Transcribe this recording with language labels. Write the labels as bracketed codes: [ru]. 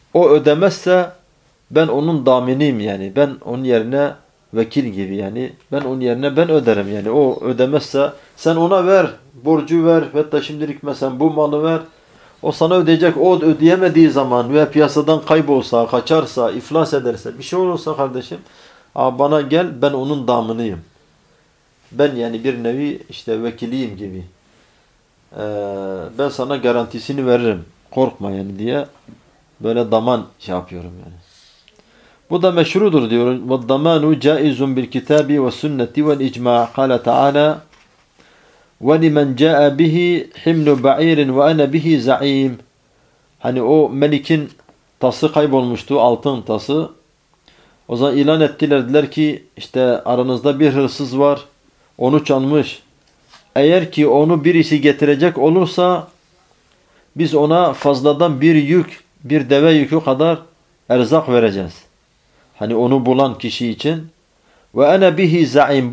[tr] O ödemezse ben onun daminiyim yani ben onun yerine vekil gibi yani ben onun yerine ben öderim yani o ödemezse sen ona ver borcu ver hatta şimdilik mesela bu malı ver o sana ödeyecek o ödeyemediği zaman veya piyasadan kaybolsa kaçarsa iflas ederse bir şey olursa kardeşim bana gel ben onun daminiyim. Ben yani bir nevi işte vekiliyim gibi. Ben sana garantisini veririm. Korkma yani diye böyle daman şey yapıyorum yani. Bu da meşrudur diyor. [ar] وَالْضَمَانُ جَائِزٌ بِالْكِتَابِ وَالسُنَّةِ وَالْاِجْمَعِ قَالَ تَعَالَى وَلِمَنْ جَاءَ بِهِ حِمْلُ بَعِيرٍ وَأَنَ بِهِ زَعِيمٍ [tr] Hani o melikin tası kaybolmuştu, altın tası. O zaman ilan ettiler, dediler ki işte aranızda bir hırsız var. Onu çalmış. Eğer ki onu birisi getirecek olursa biz ona fazladan bir yük, bir deve yükü kadar erzak vereceğiz. Hani onu bulan kişi için. [ar] Ve ene bihi za'im.